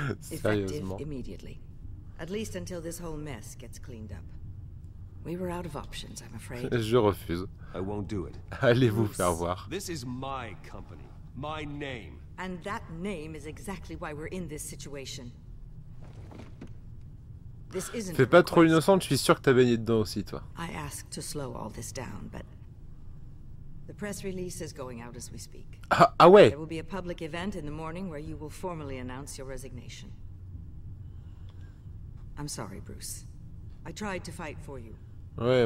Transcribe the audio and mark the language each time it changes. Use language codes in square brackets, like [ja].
[en] Effective immediately. At least until this whole mess gets cleaned up. We were out of options, I'm afraid. [fr] Je refuse. [en] I won't do it. [fr] Allez-vous faire voir. [en] This is my company, my name. And that name is exactly why we're in this situation. [fr] Fais pas trop innocent, je suis sûr que t'as baigné dedans aussi, toi. [en] I asked to slow all this down, but the press release is going out as we speak. [fr] Ah ouais. [en] There will be a public event in the morning where you will formally announce your resignation. I'm sorry, Bruce. I tried to fight for you. [fr] Ouais,